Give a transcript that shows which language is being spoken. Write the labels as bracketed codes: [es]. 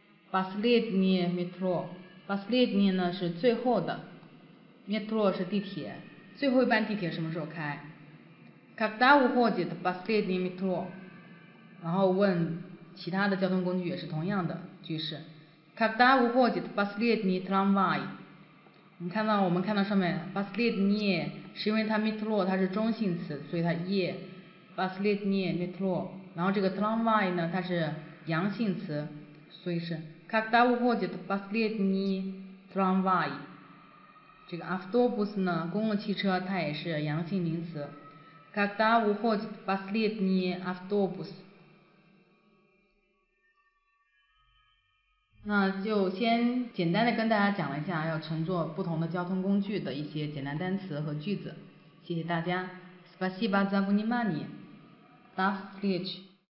[zh] Последнее метро，последнее 呢是最后的，метро 是地铁，最后一班地铁什么时候开？ [ru] Когда уходит последнее метро？ [zh] 然后问其他的交通工具也是同样的句式。 [ru] Когда уходит последнее трамвай？ [zh] 你看到我们看到上面 последнее 是因为它 метро 它是中性词，所以它 е последнее метро。然后这个 трамвай 呢，它是阳性词，所以是 [ru] когда уходит последний трамвай。 [zh] 这个 автобус 呢，公共汽车，它也是阳性名词。 [ru] когда уходит последний автобус？ [zh] 那就先简单的跟大家讲了一下要乘坐不同的交通工具的一些简单单词和句子，谢谢大家。 [ru] Спасибо за внимание. До встречи.